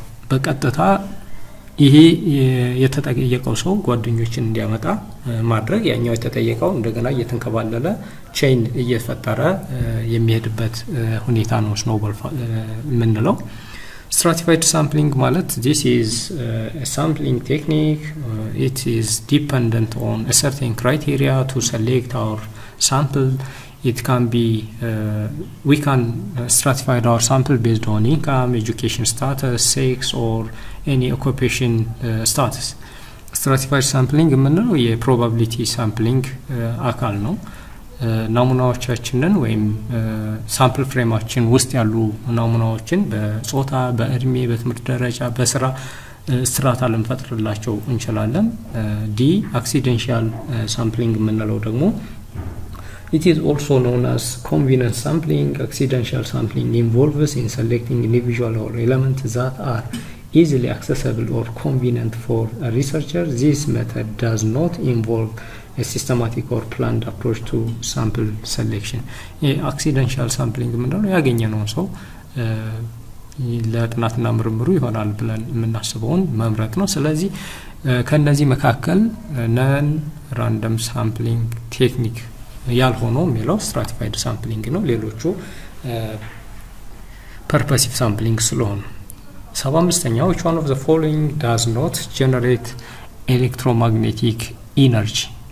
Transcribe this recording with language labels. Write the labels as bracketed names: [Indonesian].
[Amharic] በቀጥታ ይሄ የተጠየቀው ሰው ጓደኞችን እንዲያመጣ ማድረግ ያኛው የተጠየቀው እንደገና እየተንከባለለ ቼን እየፈጠረ የሚሄድበት ሁኔታ ነው ስኖቦል የምንለው። Stratified sampling ማለት [English] this is a sampling technique. It is dependent on a certain criteria to select our sample. It can be we can stratify our sample based on income, education status, sex or any occupation status. Stratified sampling ምንድነው? [Amharic] የprobability sampling አካል ነው። ናሙናዎቻችንን ወይም ሳምፕል ፍሬማችን ውስጥ ያሉ ናሙናዎችን በጾታ በእድሜ በትምህርት ደረጃ በስራ ስትራታ ልንፈጥርላቸው እንችላለን። ዲ አክሲደንሻል ሳምፕሊንግ የምንለው ደግሞ [English] it is also known as convenience sampling. Accidental sampling involves in selecting individual or element that are easily accessible or convenient for a researcher. This method does not involve a systematic or planned approach to sample selection. Accidental sampling ምንድነው? [Amharic] ያገኘነው ሰው ለጥናትና ምርምሩ ይሆናል ብለን የምናስበውን መምረጥ ነው። ስለዚህ ከነዚህ መካከል ነን ራንደም ሳምፕሊንግ ቴክኒክ ያልሆነው ሜሎ ስትራቲፋይድ ሳምፕሊንግ ነው። ሌሎቹ ፐርፐሲቭ ሳምፕሊንግ ስለሆነ 75ኛው [English] which one of the following does not generate electromagnetic energy.